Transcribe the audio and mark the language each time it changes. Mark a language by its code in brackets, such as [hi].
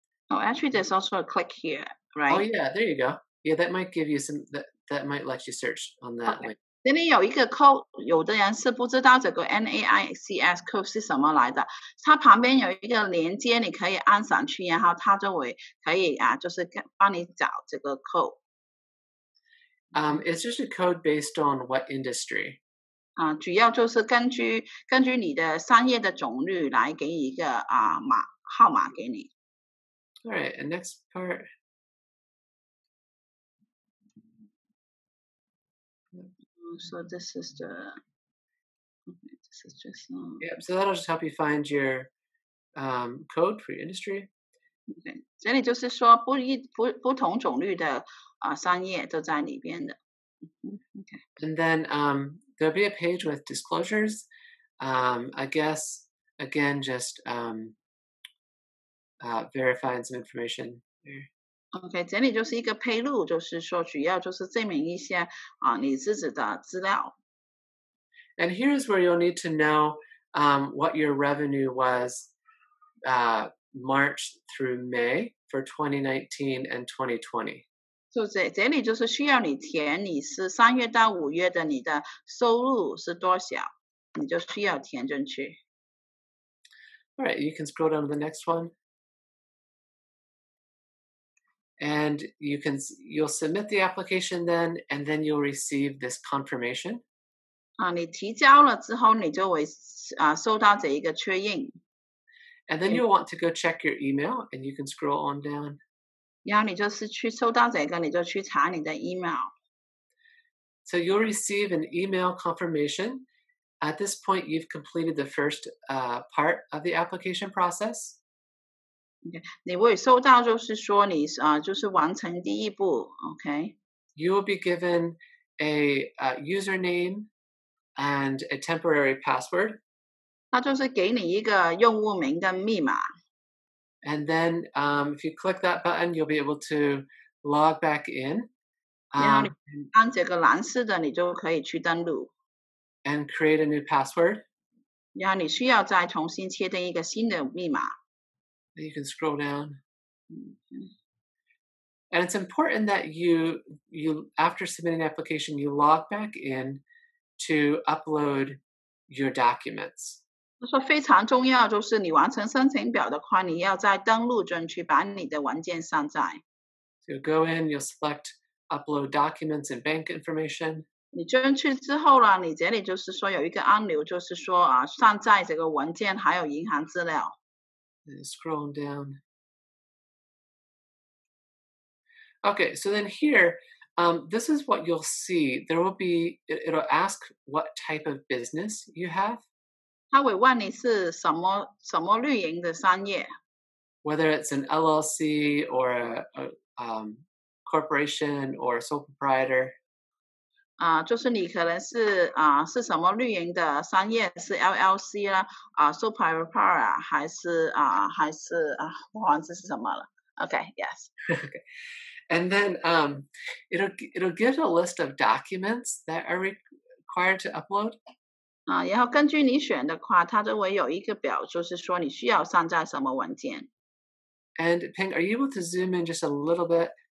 [en] Oh, actually, there's also a click here, right? Oh, yeah, there you go. Yeah, that might give you some, that might let you search on that link. [zh] 这里有一个 code, 有的人是不知道这个 NAICS code 是什么来的。它旁边有一个连接你可以按上去然后它就会可以就是帮你找这个 code。 [en] It's just a code based on what industry? [zh] 主要就是根据你的商业的种类来给一个号码给你。 [en] All right, and next part. So this is the... Okay, this is just... Yep, so that'll just help you find your code for your industry. [zh] Okay, 这里就是说不同种类的商业都在里边的。 [en] Okay. And then there'll be a page with disclosures. I guess, again, just verifying some information. [zh] Okay, 这里就是一个披露，就是说主要就是证明一些你自己的资料。 [en] And here's where you'll need to know what your revenue was March through May for 2019 and 2020. [zh] 就这里就是需要你填你是三月到五月的你的收入是多少，你就需要填进去。 [en] All right, you can scroll down to the next one. And you'll submit the application then, and then you'll receive this confirmation. [zh] 你提交了之后你就会收到这一个确认。 [en] And then you'll want to go check your email, and you can scroll on down. [zh] 然后你就是去收到这个，你就去查你的 email。 [en] So you'll receive an email confirmation. At this point, you've completed the first part of the application process. Okay. [zh] 你会收到就是说你就是完成第一步 ，okay? [en] You will be given a username and a temporary password. [zh] 它就是给你一个用户名跟密码。 [en] And then if you click that button, you'll be able to log back in. [zh] 然后按这个蓝色的，你就可以去登录。 [en] And create a new password. [zh] 然后你需要再重新确定一个新的密码。 [en] And you can scroll down. And it's important that you after submitting the application, you log back in to upload your documents. [zh] 他说非常重要，就是你完成申请表的话，你要再登录进去，把你的文件上载。 [en] You go in, you select upload documents and bank information. [zh] 你进去之后呢，你这里就是说有一个按钮，就是说上载这个文件还有银行资料。 [en] Scroll down. Okay, so then here, this is what you'll see. There will be, it'll ask what type of business you have. [zh] 他会问你是什么类型的商业 [en] ，whether it's an LLC or a corporation or a sole proprietor。 [zh] 就是你可能是是什么绿营的商业，是 LLC 啦，sole proprietor 啊，还是我忘记是什么了。 [en] Okay, yes. Okay, and then it'll give a list of documents that are required to upload. [zh] 然后根据你选的话，它就会有一个表，就是说你需要上载什么文件。 [en] And Ping, are you able to zoom in just a little bit?